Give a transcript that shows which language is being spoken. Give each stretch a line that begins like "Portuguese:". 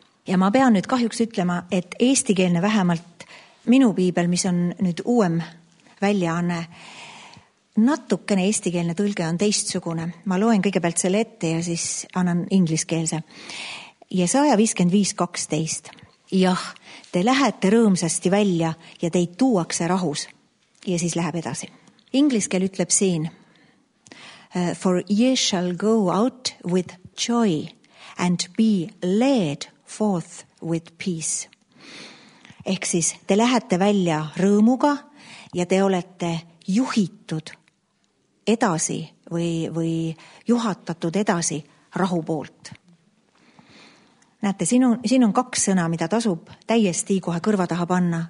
Estonian: Ja ma pean nüüd kahjuks ütlema, et eestikeelne vähemalt minu piibel, mis on nüüd uuem väljaanne, natukene eestikeelne tõlge on teistsugune. Ma loen kõigepealt selle ette ja siis annan ingliskeelse. Jesaja 55.12. Jah, te lähete rõõmsasti välja ja teid tuuakse rahus. Ja siis läheb edasi. Ingliskeel ütleb siin.
English: For ye shall go out with joy and be led forth with peace.
Estonian: Ehk siis te lähete välja rõõmuga ja te olete juhitud edasi või juhatatud edasi rahu poolt. Näete, siin on kaks sõna, mida tasub täiesti kohe kõrva taha panna.